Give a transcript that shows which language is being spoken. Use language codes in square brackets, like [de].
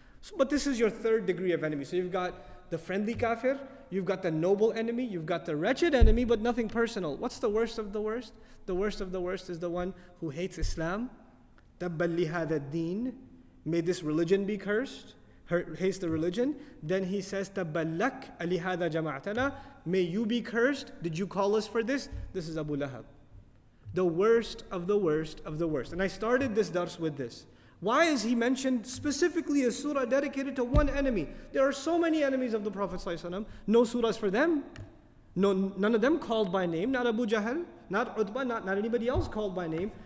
[en] So, but this is your third degree of enemy. So you've got the friendly kafir, you've got the noble enemy, you've got the wretched enemy, but nothing personal. What's the worst of the worst? The worst of the worst is the one who hates Islam. [ar] تَبَّلْ لِهَذَا الدِّينِ. [en] May this religion be cursed. Hates the religion. Then he says, [ar] تَبَّلْ لَكَ لِهَذَا جَمَعْتَنَا. [en] May you be cursed. Did you call us for this? This is Abu Lahab. The worst of the worst of the worst. And I started this dars with this. Why is he mentioned specifically a surah dedicated to one enemy? There are so many enemies of the Prophet ﷺ. No surahs for them. No, none of them called by name. Not Abu Jahl, not Utbah, not anybody else called by name.